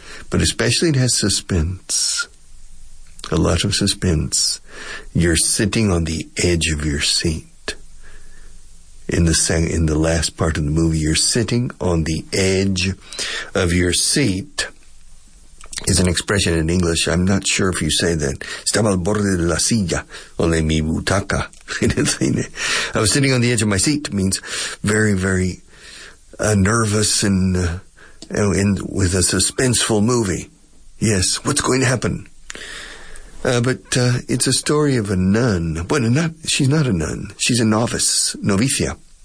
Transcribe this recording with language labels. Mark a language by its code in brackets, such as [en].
[en] But especially it has suspense. A lot of suspense. You're sitting on the edge of your seat. In the last part of the movie, you're sitting on the edge of your seat. Is an expression in English. I'm not sure if you say that. [es] Estaba al borde de la silla o de mi butaca. [en] I was sitting on the edge of my seat. Means very, very nervous and with a suspenseful movie. Yes, what's going to happen? It's a story of a nun. She's not a nun. She's a novice. Novicia.